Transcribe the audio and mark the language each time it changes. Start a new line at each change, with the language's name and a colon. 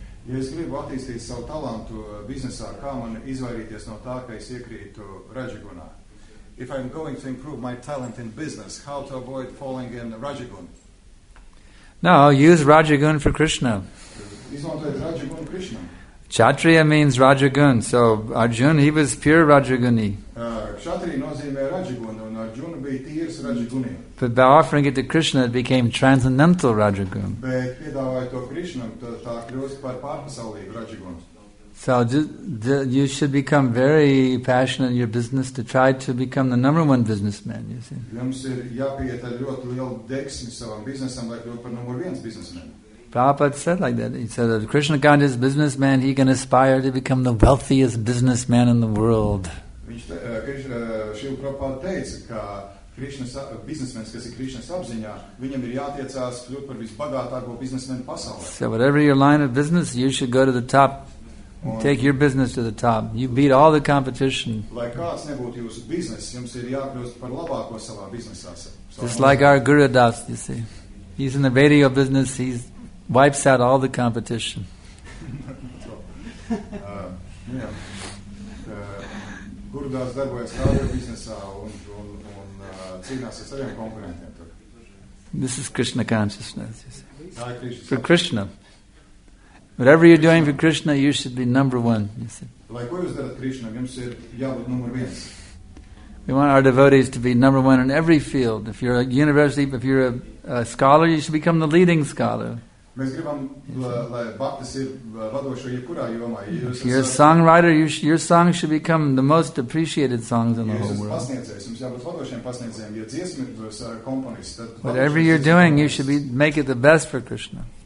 Latvian: Ja es gribu attīstīt savu talentu biznesā, kā man izvairīties no tā, ka es iekrītu Rajagunā?
English: If I'm going to improve my talent in business, how to avoid falling in Rajagun? No, use Rajagun for Krishna.
Latvian: Izmantojiet Rajagun Krishna.
English: Kshatriya means Rajagun, so Arjun, he was pure Rajaguni.
Latvian: Kshatriya nozīmē Rajagun, un Arjun bija tīrs Rajaguni.
English: But by offering it to Krishna, it became transcendental Rajagun.
Latvian: Bet piedāvāja to Krishna, tā kļūst par pārpasaulīgu Rajagun.
English: So you should become very passionate in your business to try to become the number one businessman, you see.
Latvian: Jums ir jāpieta ļoti lielu deksmi savam biznesam, lai kļūt par numur viens biznesmen.
English: Prabhupada said like that. He said that Krishna conscious businessman, he can aspire to become the wealthiest businessman in the world.
Latvian: Šīl Prabhupada teica, ka biznesmens, kas ir Krishna apziņā, viņam ir jātiecās kļūt par visbagātāko biznesmenu pasaulē.
English: So whatever your line of business, you should go to the top. Take your business to the top. You beat all the competition.
Latvian: Lai kāds nebūtu jūsu biznes, jums ir jākļūst par labāko savā biznesā.
English: Just like our Guru Das, you see. He's in the radio business, he's wipes out all the competition.
Latvian: Gurdās darbojas radio biznesā un cīnās ar saviem konkurentiem.
English: This is Krishna consciousness.
Latvian: Tā ir Krishna.
English: For Krishna. Whatever you're doing for Krishna, you should be number one. You see.
Latvian: Lai ko jūs darat Krishna, jums ir jābūt numur viens.
English: We want our devotees to be number one in every field. If you're a university, if you're a scholar, you should become the leading scholar.
Latvian: Mēs gribam, lai baktis ir vadošo jebkurā jomā.
English: You're a songwriter, your songs should become the most appreciated songs in the whole world. Whatever you're doing, you should make it the best for Krishna.